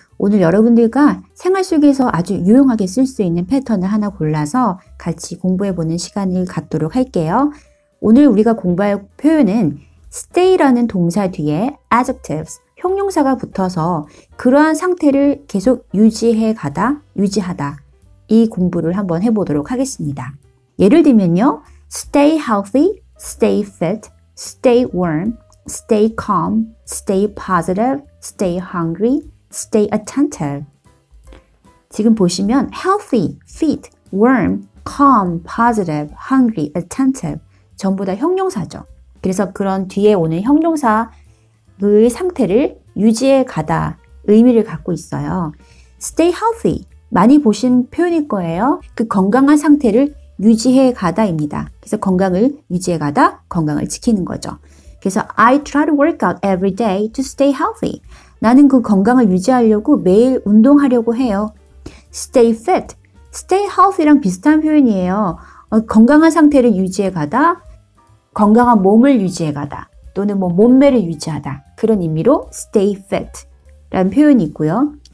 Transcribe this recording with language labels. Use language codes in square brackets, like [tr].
[ko] 오늘 여러분들과 생활 속에서 아주 유용하게 쓸 수 있는 패턴을 하나 골라서 같이 공부해보는 시간을 갖도록 할게요. 오늘 우리가 공부할 표현은 stay라는 동사 뒤에 adjectives, 형용사가 붙어서 그러한 상태를 계속 유지하다 이 공부를 한번 해보도록 하겠습니다. 예를 들면요. [en] stay healthy, stay fit, stay warm, stay calm, stay positive, stay hungry, stay attentive. [ko] 지금 보시면 healthy, fit, warm, calm, positive, hungry, attentive 전부 다 형용사죠. 그래서 그런 뒤에 오는 형용사의 상태를 유지해 가다 의미를 갖고 있어요. stay healthy 많이 보신 표현일 거예요. 그 건강한 상태를 유지해 가다 입니다. 그래서 건강을 유지해 가다, 건강을 지키는 거죠. 그래서 [en] I try to work out every day to stay healthy. [ko] 나는 그 건강을 유지하려고 매일 운동하려고 해요. [en] Stay fit. [ko] Stay healthy랑 비슷한 표현이에요. 건강한 상태를 유지해 가다, 건강한 몸을 유지해 가다, 또는 뭐 몸매를 유지하다. 그런 의미로 stay fit라는 표현이 있고요.